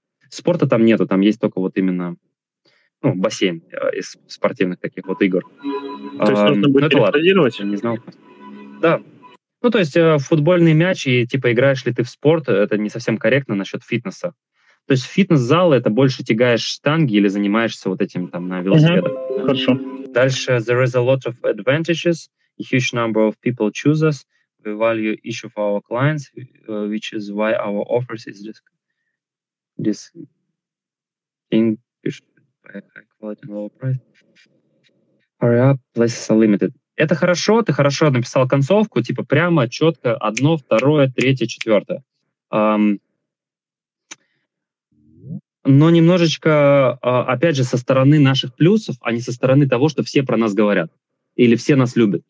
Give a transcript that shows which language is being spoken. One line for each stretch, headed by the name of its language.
Russian: Спорта там нету, там есть только вот именно, ну, бассейн из спортивных таких вот игр. То есть нужно будет перестанировать? Не знал. Да. Ну, то есть футбольный мяч, и типа играешь ли ты в спорт, это не совсем корректно насчет фитнеса. То есть фитнес-зал — это больше тягаешь штанги или занимаешься вот этим там на велосипедах. Угу. Хорошо. Дальше.
English: There is a lot of advantages. A huge number of people choose us. We value each of our clients, which is why our offers is just... This thing high quality and low price. Hurry up, places are limited.
Russian: Это хорошо, ты хорошо написал концовку, типа прямо, четко, одно, второе, третье, четвертое. но немножечко, опять же, со стороны наших плюсов, а не со стороны того, что все про нас говорят. Или все нас любят.